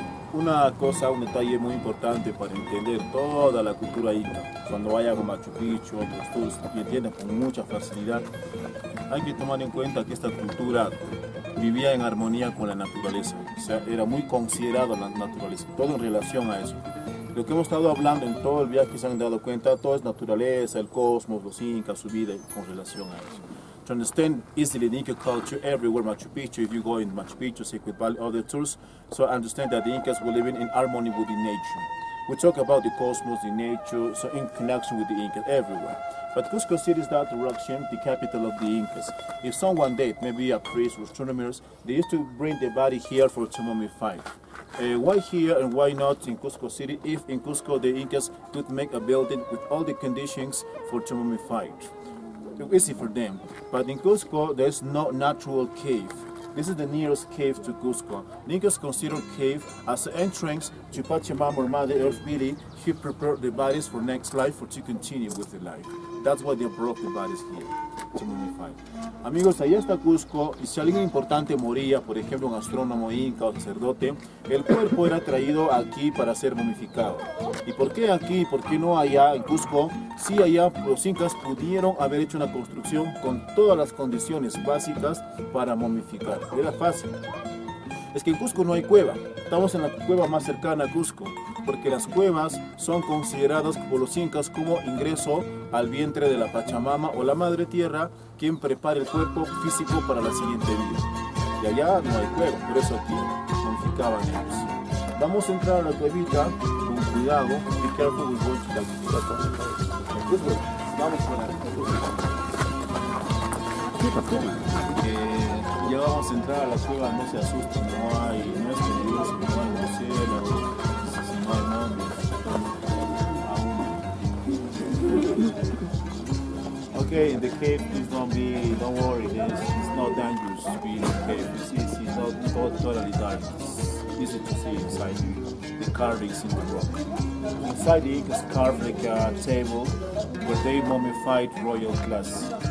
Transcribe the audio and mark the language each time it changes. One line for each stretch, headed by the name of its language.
Spanish: Una cosa, un detalle muy importante para entender toda la cultura inca, cuando vaya a Machu Picchu, otros tours, y entiendes con mucha facilidad, hay que tomar en cuenta que esta cultura vivía en armonía con la naturaleza, o sea, era muy considerado la naturaleza, todo en relación a eso. Lo que hemos estado hablando en todo el viaje, se han dado cuenta, todo es naturaleza, el cosmos, los incas, su vida, con relación a eso.
English: To understand easily the Inca culture everywhere Machu Picchu, if you go in Machu Picchu, Sacred Valley, other tours, so understand that the Incas were living in harmony with the nature. We talk about the cosmos, the nature, so in connection with the Incas everywhere. But Cusco City is that direction, the capital of the Incas. If someone dead, maybe a priest or astronomers, they used to bring the body here for to mummify. Why here and why not in Cusco City, if in Cusco the Incas could make a building with all the conditions for to mummify? Easy for them, but in Cusco there's no natural cave. This is the nearest cave to Cusco. The Incas consider cave as the entrance to Pachamama or Mother Earth Billy. He prepared the bodies for next life, for to continue with the life. That's why they brought the bodies here to mummify.
Spanish: Amigos, allá está Cusco, y si alguien importante moría, por ejemplo un astrónomo inca o sacerdote, el cuerpo era traído aquí para ser momificado. ¿Y por qué aquí? ¿Por qué no allá en Cusco? Sí, allá los incas pudieron haber hecho una construcción con todas las condiciones básicas para momificar. Era fácil. Es que en Cusco no hay cueva. Estamos en la cueva más cercana a Cusco, porque las cuevas son consideradas por los incas como ingreso al vientre de la Pachamama o la Madre Tierra, quien prepara el cuerpo físico para la siguiente vida. Y allá no hay cueva, por eso aquí momificaban ellos. Vamos a entrar a la cuevita con cuidado.
English: Be careful with going to the cave.
Spanish: Vamos con la cueva. Ya vamos a entrar a la cueva, no se asusten, no hay, no es que Dios, no hay un cielo.
English: Okay, in the cave, please don't worry, it's not dangerous to be in the cave. You see, it's not totally dark. It's easy to see inside the carvings in the rock. Inside the Incas carved like a table where they mummified royal class.